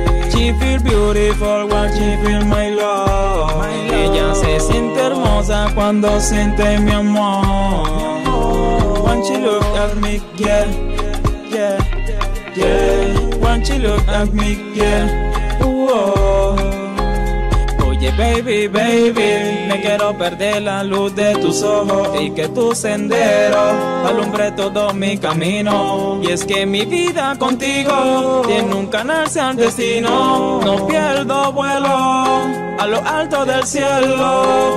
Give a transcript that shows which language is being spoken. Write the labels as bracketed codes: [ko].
[en] She feel beautiful when she feel my love. [es] Ella se siente hermosa cuando siente mi amor. [en] When she look at me, yeah, yeah, yeah. When she look at me, yeah, ooh. [es] Oye, baby, baby, me quiero perder la luz de tus ojos y que tu sendero alumbre todo mi camino. Y es que mi vida contigo tiene un canal sin destino. No pierdo vuelo a lo alto del cielo.